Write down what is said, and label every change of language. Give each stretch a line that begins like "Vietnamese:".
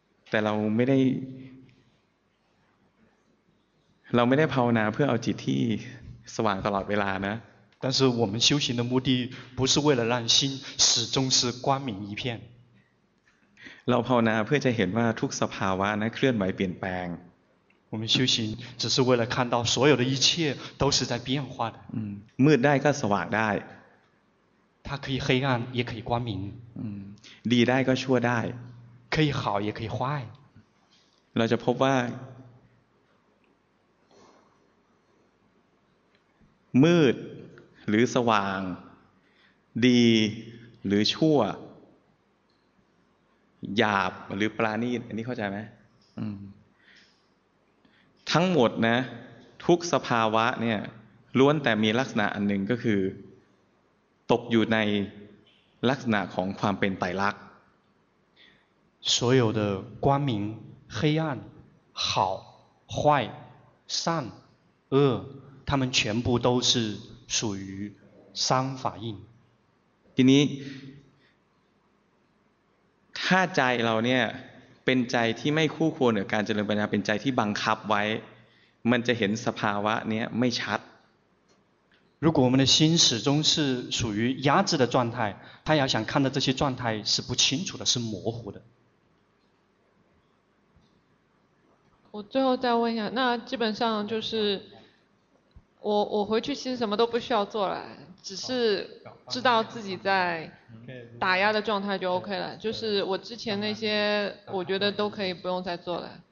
Thai: แต่เราไม่ได้ภาวนาเพื่อเอาจิตที่สว่างตลอดเวลานะ
Chinese: 但是我们修行的目的不是为了让心始终是光明一片
Thai: เราภาวนาเพื่อจะเห็นว่าทุกสภาวะนะเคลื่อนไหวเปลี่ยนแปลง
Chinese: 我们修行只是为了看到所有的一切都是在变化的
Thai: มืดได้ก็สว่างได้
Chinese: 它可以黑暗也可以光明
Thai: ดีได้ก็ชั่วได้
Chinese: 可以好也可以坏
Thai: เราจะพบว่ามืดหรือสว่างดีหรือชั่วหยาบหรือปราณีตอันนี้เข้าใจไหมทั้งหมดนะทุกสภาวะเนี่ยล้วนแต่มีลักษณะอันหนึ่งก็คือตกอยู่ในลักษณะของความเป็นไตรลักษณ์
Chinese: 所有的光明黑暗好坏善恶他们全部都是属于三法印
Thai: ทีนี้ถ้าใจเราเนี่ยเป็นใจที่ไม่คู่ควรกับการเจริญปัญญาเป็นใจที่บังคับไว้มันจะเห็นสภาวะเนี้ยไม่ชัด
Chinese: 如果我们的心始终是属于压制的状态他要想看到这些状态是不清楚的是模糊的我最后再问一下那基本上就是我回去其实什么都不需要做了只是知道自己在打压的状态就 OK 了就是我之前那些我觉得都可以不用再做